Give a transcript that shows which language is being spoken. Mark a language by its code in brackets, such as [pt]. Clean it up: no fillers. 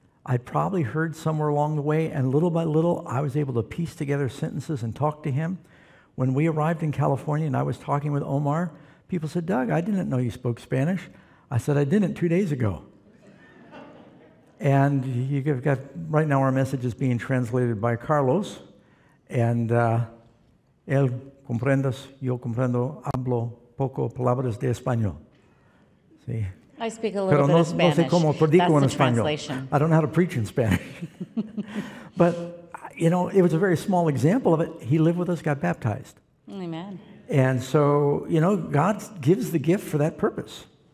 [en] I'd probably heard somewhere along the way, and little by little, I was able to piece together sentences and talk to him. When we arrived in California and I was talking with Omar, people said, Doug, I didn't know you spoke Spanish. I said, I didn't 2 days ago. And you've got, right now our message is being translated by Carlos. [es] And él comprendas, yo comprendo, hablo poco palabras de español. [en] I speak a little bit of Spanish. [es] No sé cómo predico [en] That's [es] en español. [en] Translation. I don't know how to preach in Spanish. But, you know, it was a very small example of it. He lived with us, got baptized. Amen. And so, you know, God gives the gift for that purpose.